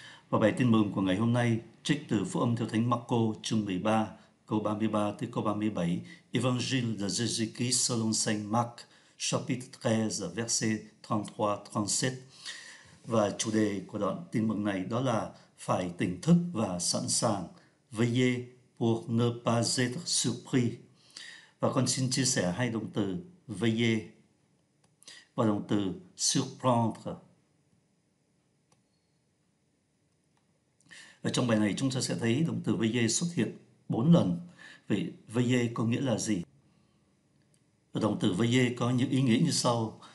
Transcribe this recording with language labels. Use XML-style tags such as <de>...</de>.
<vi>Và bài tin mừng của ngày hôm nay trích từ Phúc âm theo Thánh Marco chương 13 câu 33 tới câu 37,</vi> <fr>Évangile de Jésus-Christ selon Saint Marc chapitre 13 verset 33-37.</fr> <vi>Và chủ đề của đoạn tin mừng này đó là phải tỉnh thức và sẵn sàng.</vi> <fr>Veillez pour ne pas être surpris.</fr> <vi>Và con xin chia sẻ hai động từ veiller và động từ surprendre. Ở trong bài này chúng ta sẽ thấy động từ veiller xuất hiện 4 lần. Vậy veiller có nghĩa là gì? Và động từ veiller có những ý nghĩa như sau.</vi>